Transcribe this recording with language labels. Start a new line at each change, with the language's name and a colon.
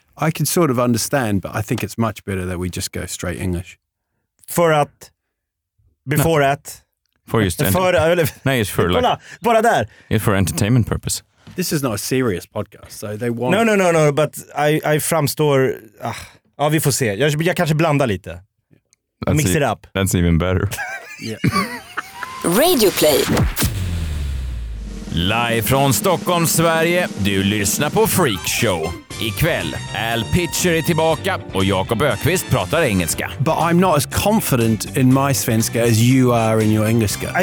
English: I can sort of understand, but I think it's much better that we just go straight English.
Swedish: För att,
English: before
Swedish: att.
English: For just entertainment. No, it's for like,
Swedish: bara där.
English: It's for entertainment purpose. This is not a serious podcast, so they want... No, but I
Swedish: framstår... Ja, vi får se. Jag kanske blandar lite.
English: That's mix it up. That's even better. Yeah. Radio Play.
Swedish: Live från Stockholm, Sverige. Du lyssnar på Freak Show. Ikväll, Al Pitcher är tillbaka och Jakob Ökvist pratar engelska.
English: But I'm not as confident in my svenska as you are in your engelska.